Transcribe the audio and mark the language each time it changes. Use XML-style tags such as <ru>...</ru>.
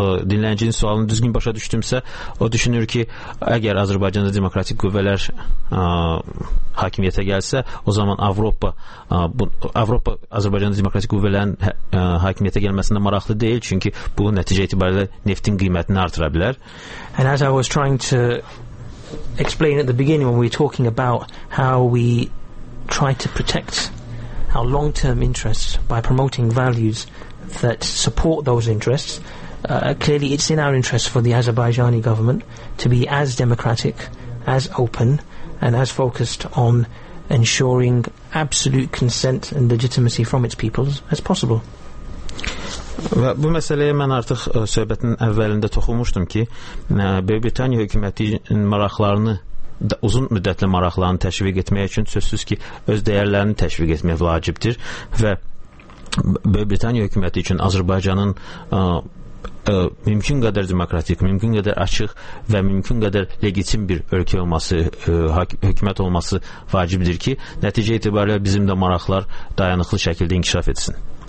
<az>Dinləyicinin sualını düzgün başa düşdümsə, o düşünür ki, əgər Azərbaycanda demokratik qüvvələr hakimiyyətə gəlsə, o zaman Avropa Azərbaycanda demokratik qüvvələrin hakimiyyətə gəlməsində maraqlı deyil, çünki bu nəticə itibarilə neftin qiymətini artıra bilər.</az> <en>And as I was trying to explain at the beginning when we were talking about how we try to protect our long-term interests by promoting values that support those interests, clearly it's in our interest for the Azerbaijani government to be as democratic, as open, and as focused on ensuring absolute consent and legitimacy from its peoples as possible.</en> <az>Və bu məsələyə mən artıq söhbətin əvvəlində toxunmuşdum ki, Böyük Britaniya hökumətinin maraqlarını uzun müddətli maraqlarını təşviq etmək üçün sözsüz ki, öz dəyərlərini təşviq etmək vacibdir və Böyük Britaniya hökuməti üçün Azərbaycanın mümkün qədər demokratik, mümkün qədər açıq və mümkün qədər legitim bir ölkə olması, hökumət olması vacibdir ki, nəticə itibarilə bizim də maraqlar dayanıqlı şəkildə inkişaf etsin.</az>